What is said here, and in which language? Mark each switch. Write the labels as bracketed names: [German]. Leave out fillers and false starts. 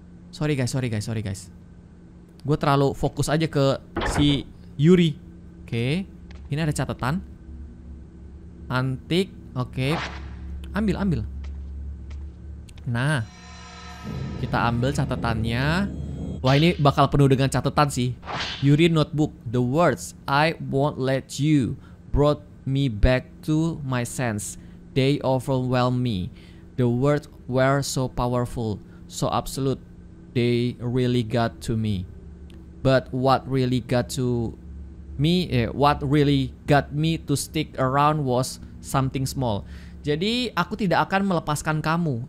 [Indonesian] Sorry guys. Gua terlalu fokus aja ke si Yuri. Oke. Okay. Ini ada catatan. Antik. Oke. Okay. Ambil. Nah. Kita ambil catatannya. Wah, ini bakal penuh dengan catatan sih. [English] Yuri notebook. The words I won't let you brought me back to my sense. They overwhelm me. The words were so powerful, so absolute. They really got to me. But what really got me to stick around was something small. [Indonesian] Jadi aku tidak akan melepaskan kamu.